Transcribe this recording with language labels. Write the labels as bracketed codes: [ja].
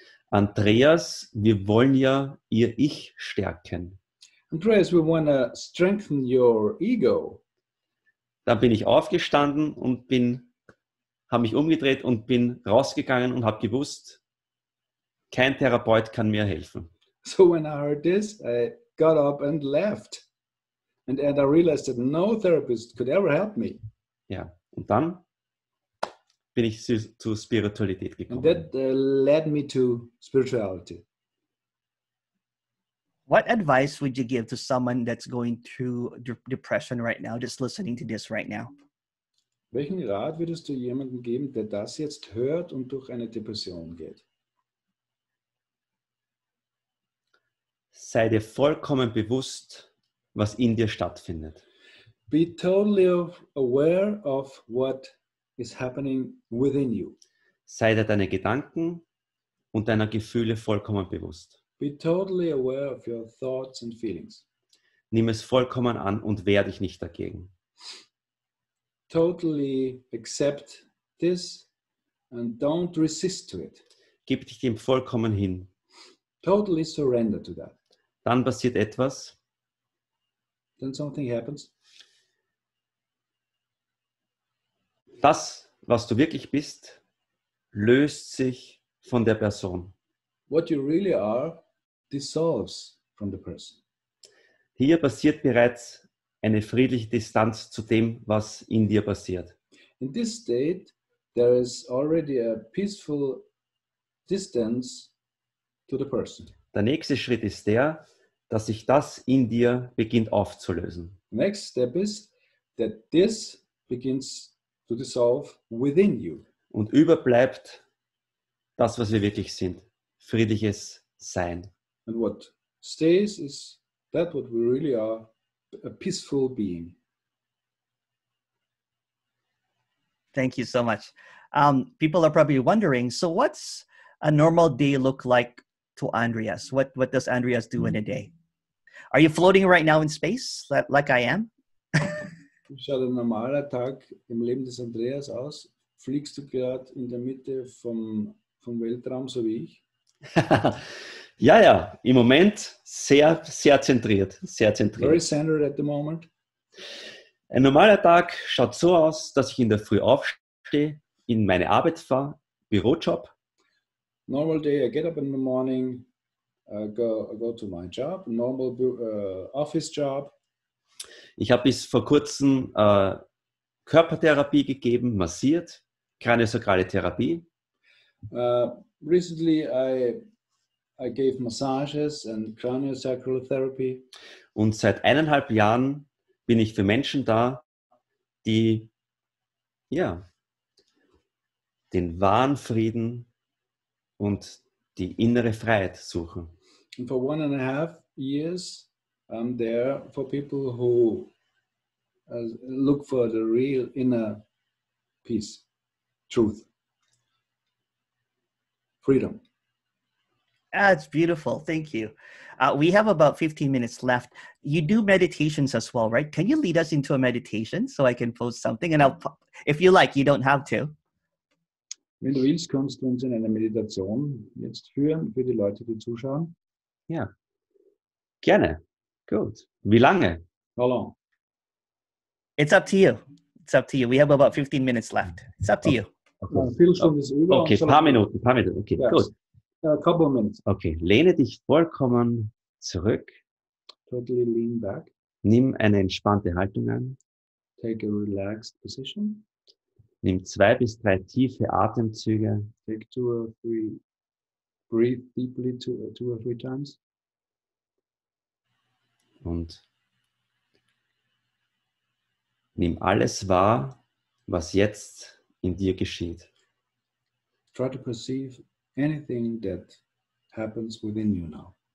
[de] Andreas, wir wollen ja ihr Ich stärken. [en] Andreas, we want to strengthen your ego. [de] Dann bin ich aufgestanden und habe mich umgedreht und bin rausgegangen und habe gewusst, kein Therapeut kann mir helfen. [en] So when I heard this, I got up and left. And I realized that no therapist could ever help me. [de] Ja, und dann bin ich zu Spiritualität gekommen. [en] And that led me to spirituality. What advice would you give to someone that's going through depression right now, just listening to this right now? [de] Welchen Rat würdest du jemandem geben, der das jetzt hört und durch eine Depression geht? Sei dir vollkommen bewusst, was in dir stattfindet. [en] Be totally aware of what is happening within you. [de] Sei dir deine Gedanken und deiner Gefühle vollkommen bewusst. [en] Be totally aware of your thoughts and feelings. [de] Nimm es vollkommen an und wehr dich nicht dagegen. [en] Totally accept this and don't resist to it. [de] Gib dich dem vollkommen hin. [en] Totally surrender to that. [de] Dann passiert etwas. [en] Then something happens. [de] Das, was du wirklich bist, löst sich von der Person. [en] What you really are dissolves from the person. [de] Hier passiert bereits eine friedliche Distanz zu dem, was in dir passiert. [en] In this state, there is already a peaceful distance to the person. [de] Der nächste Schritt ist der, dass sich das in dir beginnt aufzulösen. [en] The next step is that this begins to dissolve within you. [de] Und überbleibt das, was wir wirklich sind, friedliches Sein. [en] And what stays is that what we really are, a peaceful being. Thank you so much. People are probably wondering, so what's a normal day look like to Andreas? What does Andreas do in a day? Are you floating right now in space, like I am? [de] Schaut ein normaler Tag im Leben des Andreas aus? Fliegst du gerade in der Mitte vom Weltraum, so wie ich? Ja, im Moment sehr, sehr zentriert. Sehr zentriert. [en] Very centered at the moment. [de] Ein normaler Tag schaut so aus, dass ich in der Früh aufstehe, in meine Arbeit fahre, Bürojob. [en] Normal day, I get up in the morning, I go to my job, normal office job. [de] Ich habe bis vor kurzem Körpertherapie gegeben, massiert, kraniosakrale Therapie. [en] Recently I gave massages and craniosacral therapy. [de] Und seit 1,5 Jahren bin ich für Menschen da, die ja den wahren Frieden und die innere Freiheit suchen. [en] And for 1.5 years, I'm there for people who look for the real inner peace, truth, freedom. That's beautiful. Thank you. We have about 15 minutes left. You do meditations as well, right? Can you lead us into a meditation so I can post something? And if you like, you don't have to. [de] Wenn du willst, kannst du uns in eine Meditation jetzt führen für die Leute, die zuschauen. Ja, gerne. Gut. Wie lange? [en] How long? It's up to you. We have about 15 minutes left. It's up to you. [de] Okay. Eine Viertelstunde ist über. Okay, paar Minuten. Okay, ja. Gut. [en] A couple of minutes. [de] Okay, lehne dich vollkommen zurück. [en] Totally lean back. [de] Nimm eine entspannte Haltung an. [en] Take a relaxed position. [de] Nimm 2 bis 3 tiefe Atemzüge. [en] Take 2 or 3. Breathe deeply 2 or 3 times. [de] Und nimm alles wahr, was jetzt in dir geschieht. [en] Try to perceive anything that happens within you now.